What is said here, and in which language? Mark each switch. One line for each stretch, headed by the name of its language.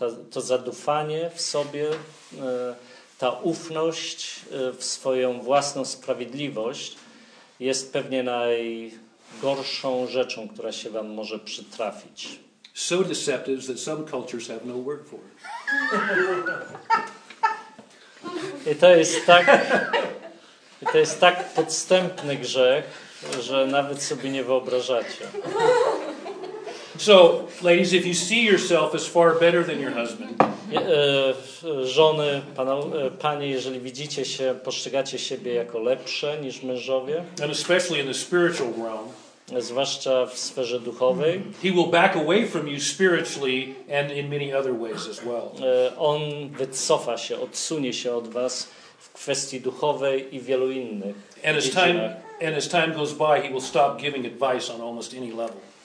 Polish: To zadufanie w sobie, ta ufność w swoją własną sprawiedliwość jest pewnie najgorszą rzeczą, która się wam może przytrafić.
English: So deceptive that some cultures have no word for it.
Polish: I to jest tak podstępny grzech, że nawet sobie nie wyobrażacie.
English: So, ladies, if you see yourself as far better than your husband,
Polish: żony, panie, jeżeli widzicie się, postrzegacie siebie jako lepsze niż mężowie,
English: and especially in the spiritual realm,
Polish: zwłaszcza w sferze duchowej,
English: he will back away from you spiritually and in many other ways as well.
Polish: On wycofa się, odsunie się od was w kwestii duchowej i wielu innych.
English: And as time goes by, he will stop giving advice on almost any level.